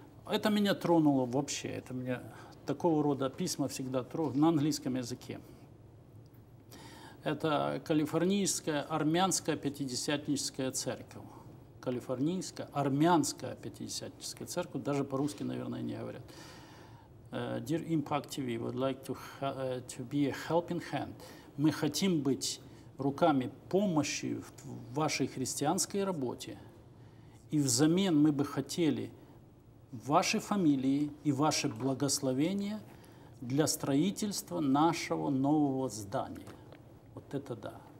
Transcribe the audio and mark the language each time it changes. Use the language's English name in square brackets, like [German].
[Russian] Это меня тронуло вообще. Это меня такого рода письма всегда трогают на английском языке. Это Калифорнийская армянская пятидесятническая церковь. Калифорнийская армянская пятидесятническая церковь. Даже по-русски, наверное, не говорят. [English] Dear Impact TV, we'd like to be a helping hand. [Russian] Мы хотим быть руками помощи в вашей христианской работе. И взамен мы бы хотели ваши фамилии и ваше благословение для строительства нашего нового здания. Вот это да.